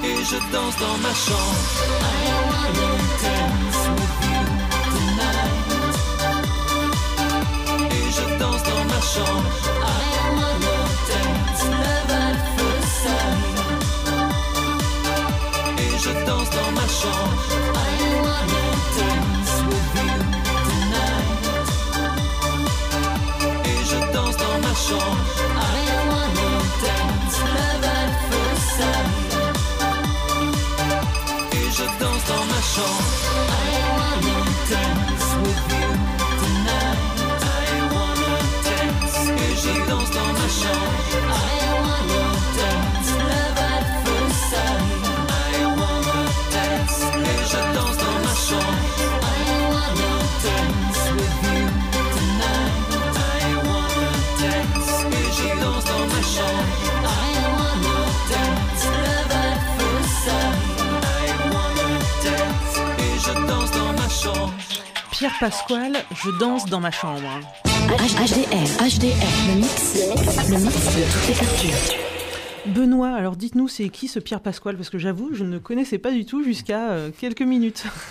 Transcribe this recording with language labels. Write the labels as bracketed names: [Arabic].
[French] Je danse dans ma chambre. [English] I wanna dance with you tonight. [French] Et je danse dans ma chambre. [English] I wanna dance love at first sight. [French] Et je danse dans ma chambre. [English] I wanna dance with you tonight. [French] Et je danse dans ma chambre. [English] I wanna dance love at first sight. [French] Je danse dans ma chambre. [English] I wanna dance with you tonight. I wanna dance. [French] Et je danse dans ma chambre. [English] I wanna dance love at first sight. I wanna dance. [French] Et je danse dans ma chambre. [English] I wanna dance with you tonight. I wanna dance. [French] Et je danse dans ma chambre. [English] I wanna dance love at first sight. [French] Pierre Pasquale, je danse dans ma chambre. HDR, le mix de toutes les cultures. Benoît, alors dites-nous, c'est qui ce Pierre Pasquale ? Parce que j'avoue, je ne connaissais pas du tout jusqu'à quelques minutes.